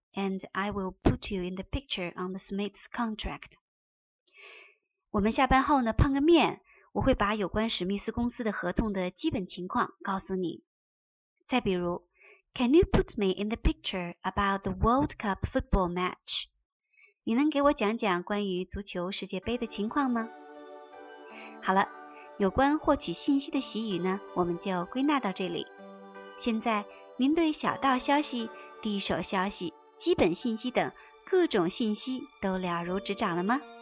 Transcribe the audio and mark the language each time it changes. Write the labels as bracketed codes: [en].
[en] And I will put you in the picture on the Smith's contract. [zh] 我们下班后呢，碰个面，我会把有关史密斯公司的合同的基本情况告诉你。 [en] 再比如 ,Can you put me in the picture about the World Cup football match? [zh] 你能给我讲讲关于足球世界杯的情况吗？好了，有关获取信息的习语呢，我们就归纳到这里。现在您对小道消息、第一手消息、基本信息等各种信息都了如指掌了吗？